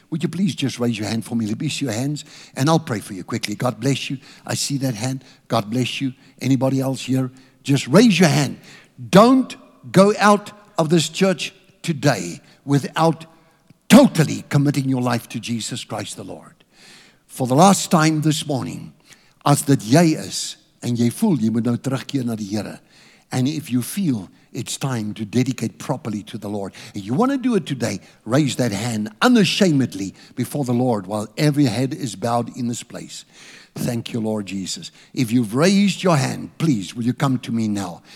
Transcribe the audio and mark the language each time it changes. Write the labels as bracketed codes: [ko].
[en] Would you please just raise your hand for me? Let me see your hands, and I'll pray for you quickly. God bless you. I see that hand. God bless you. Anybody else here? Just raise your hand. Don't go out of this church today without totally committing your life to Jesus Christ the Lord. For the last time this morning, [af] as dat jy is, en jy voel, jy moet nou terugkeer na die Here. [en] And if you feel it's time to dedicate properly to the Lord, and you want to do it today, raise that hand unashamedly before the Lord while every head is bowed in this place. Thank you, Lord Jesus. If you've raised your hand, please, will you come to me now?